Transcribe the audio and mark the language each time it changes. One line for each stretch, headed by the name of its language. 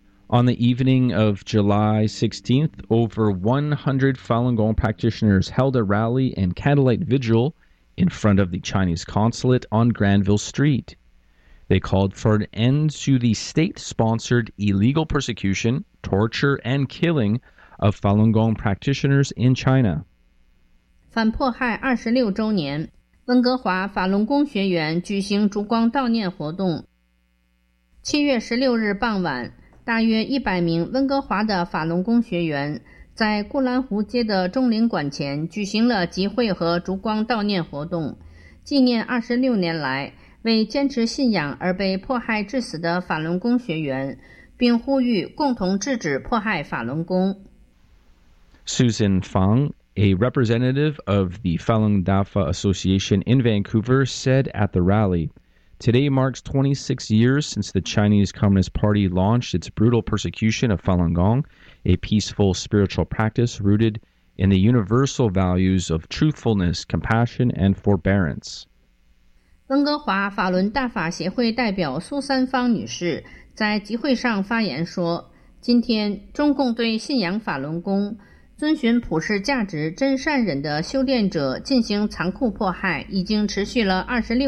English: On the evening of July 16th, over 100 Falun Gong practitioners held a rally and candlelight vigil in front of the Chinese consulate on Granville Street. They called for an end to the state-sponsored illegal persecution, torture, and killing of Falun Gong practitioners in China.
Chinese: 反迫害26周年。温哥华法轮功学员举行烛光悼念活动。 7月16日傍晚，大约100名温哥华的法轮功学员在固兰湖街的中领馆前举行了集会和烛光悼念活动，纪念26年来为坚持信仰而被迫害致死的法轮功学员，并呼吁共同制止迫害法轮功。
English: Susan Fang,a representative of the Falun Dafa Association in Vancouver, said at the rally, "Today marks 26 years since the Chinese Communist Party launched its brutal persecution of Falun Gong, a peaceful spiritual practice rooted in the universal values of truthfulness, compassion, and forbearance."
Chinese: 温哥华法轮大法协会代表苏三芳女士在集会上发言说，今天中共对信仰法轮功、遵循普世价值真善忍的修炼者进行残酷迫害已经持续了26年。